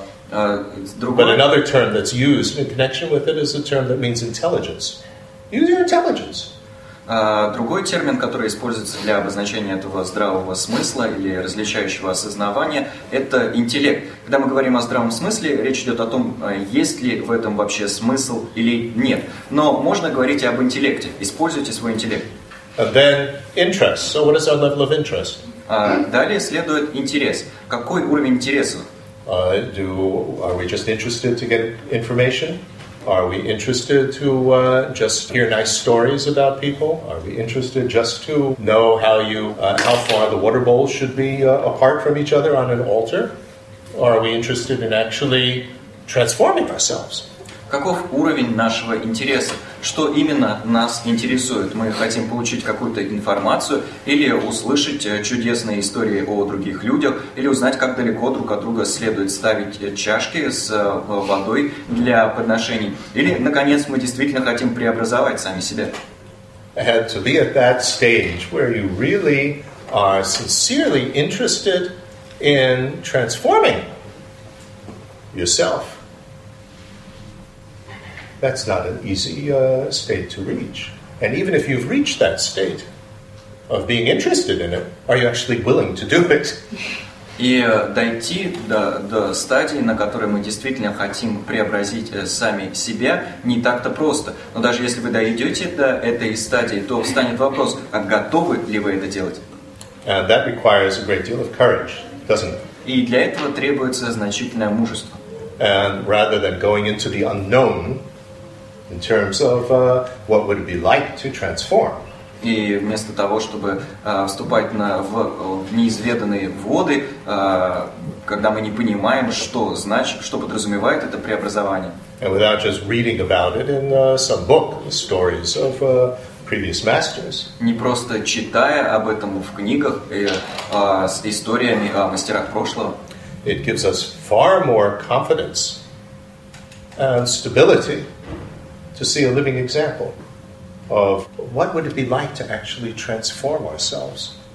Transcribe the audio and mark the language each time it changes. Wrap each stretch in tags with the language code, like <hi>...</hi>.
<en>But another term that's used in connection with it is a term that means intelligence. Use your intelligence.</en> <ru>Другой термин, который используется для обозначения этого здравого смысла или различающего осознавания, это интеллект. Когда мы говорим о здравом смысле, речь идет о том, есть ли в этом вообще смысл или нет. Но можно говорить и об интеллекте. Используйте свой интеллект.</ru> <en>Then interest. So what is our level of interest?</en> <ru>Далее следует интерес. Какой уровень интереса?</ru> <en>Are we just interested to get information? Are we interested to just hear nice stories about people? Are we interested just to know how far the water bowls should be apart from each other on an altar? Or are we interested in actually transforming ourselves?</en> <ru>Каков уровень нашего интереса? Что именно нас интересует? Мы хотим получить какую-то информацию или услышать чудесные истории о других людях, или узнать, как далеко друг от друга следует ставить чашки с водой для подношений. Или, наконец, мы действительно хотим преобразовать сами себя.</ru> <en>And to be at that stage where you really are sincerely interested in transforming yourself. That's not an easy state to reach. And even if you've reached that state of being interested in it, are you actually willing to do it?</en> <ru>И дойти до стадии, на которой мы действительно хотим преобразить сами себя, не так-то просто. Но даже если вы дойдете до этой стадии, то встанет вопрос, а готовы ли вы это делать?</ru> <en>That requires a great deal of courage, doesn't it?</en> <ru>И для этого требуется значительное мужество.</ru> <en>And rather than going into the unknown, in terms of what would it be like to transform.</en> <ru>И вместо того, чтобы вступать в неизведанные воды, когда мы не понимаем, что значит, что подразумевает это преобразование.</ru> <en>And without just reading about it in some book, the stories of previous masters.</en> <ru>Не просто читая об этом в книгах и с историями о мастерах прошлого.</ru> <en>It gives us far more confidence and stability to see a living example of what would it be like to actually transform ourselves.</en>